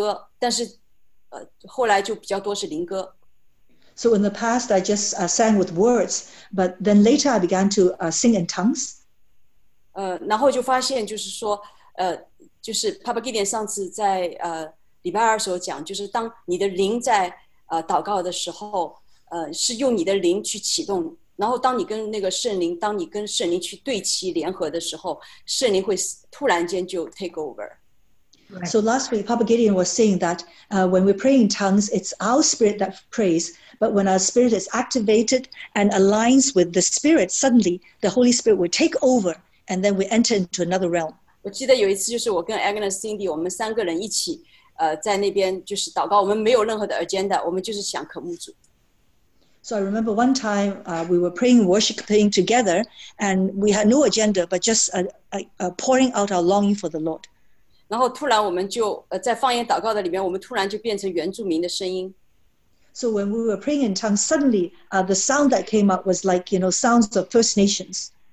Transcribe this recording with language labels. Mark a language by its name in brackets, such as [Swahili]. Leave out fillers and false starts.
[Chinese] 以前比较多是唱歌,但是后来就比较多是灵歌。 [English] So in the past, I just sang with words, but then later I began to sing in tongues. [Chinese] 然后就发现就是说，就是 Papa Gideon 上次在礼拜二时候讲，就是当你的灵在祷告的时候，是用你的灵去启动，然后当你跟那个圣灵，当你跟圣灵去对齐联合的时候，圣灵会突然间就 [English] take over. So last week, Papa Gideon was saying that when we pray in tongues, it's our spirit that prays. But when our spirit is activated and aligns with the spirit, suddenly the Holy Spirit will take over and then we enter into another realm. [Chinese] 我记得有一次就是我跟Agnes Cindy, 我们三个人一起在那边就是祷告,我们没有任何的agenda,我们就是想渴慕主。 [English] So I remember one time we were praying, worshiping together, and we had no agenda but just pouring out our longing for the Lord. [Chinese] 然后突然我们就在方言祷告的里面，我们突然就变成原住民的声音。So [English] when we were praying in tongues, suddenly the sound that came up was like, you know, sounds of First Nations.